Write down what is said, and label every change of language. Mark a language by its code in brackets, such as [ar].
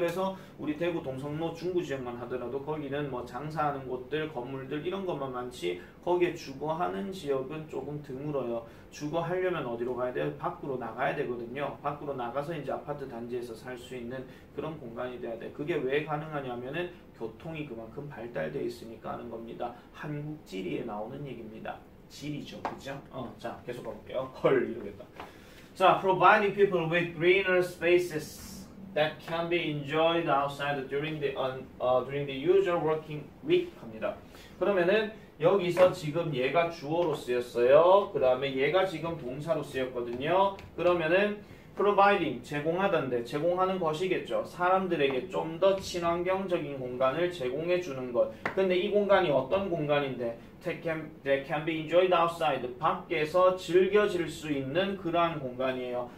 [ko] 그래서 우리 대구 동성로 중구 지역만 하더라도 거기는 뭐 장사하는 곳들, 건물들 이런 것만 많지 거기에 주거하는 지역은 조금 드물어요. 주거하려면 어디로 가야 돼요? 밖으로 나가야 되거든요. 밖으로 나가서 이제 아파트 단지에서 살수 있는 그런 공간이 돼야 돼. 그게 왜 가능하냐면은 교통이 그만큼 발달돼 있으니까 하는 겁니다. 한국 지리에 나오는 얘기입니다. 지리죠, 그죠? 자, 계속 가볼게요. 헐 이러겠다. 자, [en] providing people with greener spaces that can be enjoyed outside during the usual working week [ko] 합니다. 그러면은 여기서 지금 얘가 주어로 쓰였어요. 그 다음에 얘가 지금 동사로 쓰였거든요. 그러면은 Providing, 제공하던데, 제공하는 것이겠죠. 사람들에게 좀더 친환경적인 공간을 제공해 주는 것. 근데 이 공간이 어떤 공간인데, [en] that can be enjoyed outside, [ko] 밖에서 즐겨질 수 있는 그러한 공간이에요.